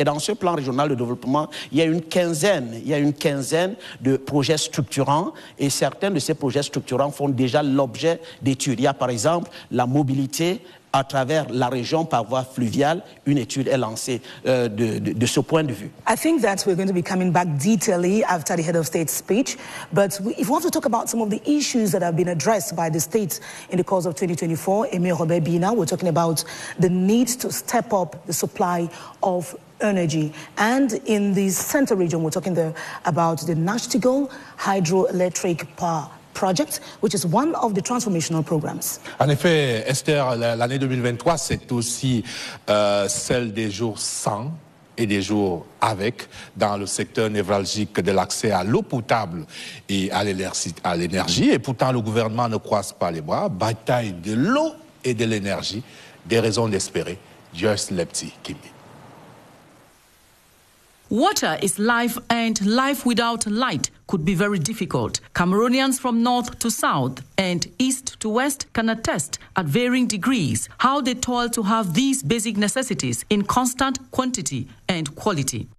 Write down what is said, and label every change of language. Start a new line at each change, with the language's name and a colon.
French: Et dans ce plan régional de développement, il y a une quinzaine de projets structurants. Et certains de ces projets structurants font déjà l'objet d'études. Il y a, par exemple, la mobilité à travers la région par voie fluviale, une étude est lancée de ce point de vue.
English: I think that we're going to be coming back detailly after the head of state speech, but if we have to talk about some of the issues that have been addressed by the state in the course of 2024, Emir Robert Bina, we're talking about the need to step up the supply of energy. And in the center region, we're talking there about the Nachtigal Hydroelectric Power Project, which is one of the transformational programs.
French: En effet, Esther, l'année 2023, c'est aussi celle des jours sans et des jours avec dans le secteur névralgique de l'accès à l'eau potable et à l'énergie. Et pourtant, le gouvernement ne croise pas les bras. Bataille de l'eau et de l'énergie, des raisons d'espérer. Just le petit Kimi.
English: Water is life, and life without light could be very difficult. Cameroonians from north to south and east to west can attest at varying degrees how they toil to have these basic necessities in constant quantity and quality.